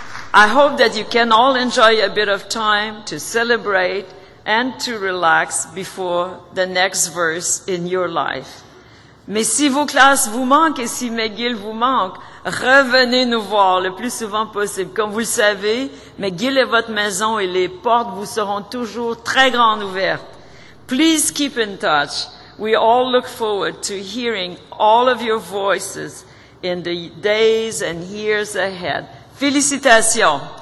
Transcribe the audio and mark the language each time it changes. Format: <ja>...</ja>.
<en>I hope that you can all enjoy a bit of time to celebrate and to relax before the next verse in your life.</en> <fr>Mais si vos classes vous manquent et si McGill vous manque, revenez nous voir le plus souvent possible. Comme vous le savez, McGill est votre maison et les portes vous seront toujours très grandes ouvertes.</fr> <en>Please keep in touch. We all look forward to hearing all of your voices in the days and years ahead.</en> <fr>Félicitations.</fr>